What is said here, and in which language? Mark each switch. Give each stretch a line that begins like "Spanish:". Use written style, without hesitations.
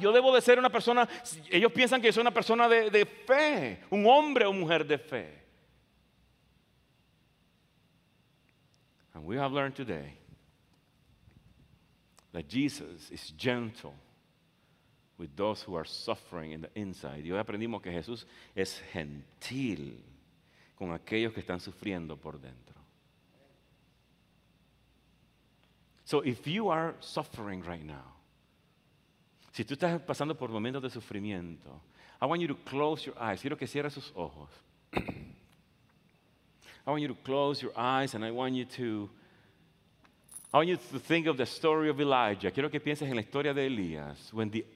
Spanish: Yo debo de ser una persona, ellos piensan que yo soy una persona de fe, un hombre o mujer de fe.
English: And we have learned today that Jesus is gentle with those who are suffering in the inside.
Spanish: Y hoy aprendimos que Jesús es gentil con aquellos que están sufriendo por dentro.
English: So if you are suffering right now,
Spanish: si tú estás pasando por momentos de sufrimiento,
English: I want you to close your eyes.
Spanish: Quiero que cierres sus ojos.
English: I want you to close your eyes, and I want you to think of the story of Elijah.
Spanish: Quiero que pienses en la historia de Elías.